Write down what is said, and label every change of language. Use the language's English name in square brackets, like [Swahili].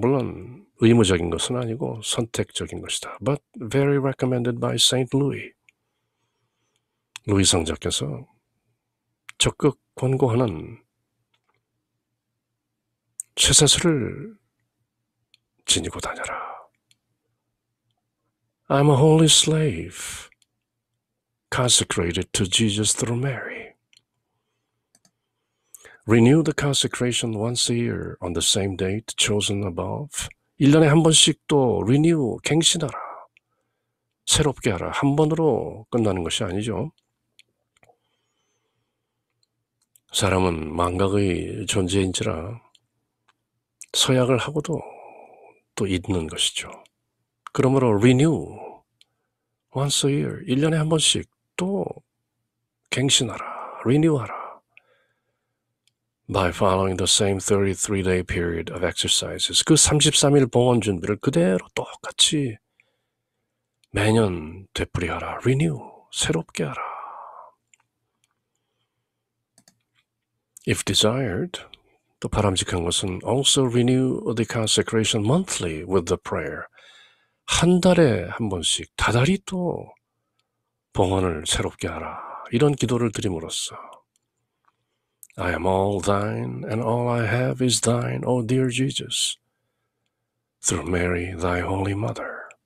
[Korean] 물론 의무적인 것은 아니고 선택적인 것이다. [English] But very recommended by Saint Louis. [Korean] 루이 성자께서 적극 권고하는 쇠사슬을 지니고 다녀라. [English] I'm a holy slave, consecrated to Jesus through Mary. Renew the consecration once a year on the same date chosen above. [Korean] 1년에 한 번씩 또 renew, 갱신하라. 새롭게 하라. 한 번으로 끝나는 것이 아니죠. 사람은 망각의 존재인지라 서약을 하고도 또 잊는 것이죠. 그러므로 [English] renew once a year, [Korean] 1년에 한 번씩 또 갱신하라, renew하라. [English] By following the same 33-day period of exercises. [Korean] 그 33일 봉헌 준비를 그대로 똑같이 매년 되풀이하라. [English] Renew. [Korean] 새롭게 하라. [English] If desired, [Korean] 또 바람직한 것은 [English] also renew the consecration monthly with the prayer. [Korean] 한 달에 한 번씩, 다달이 또 봉헌을 새롭게 하라. 이런 기도를 드림으로써 [English] I am all thine and all I have is thine, O dear Jesus, through Mary, thy holy mother.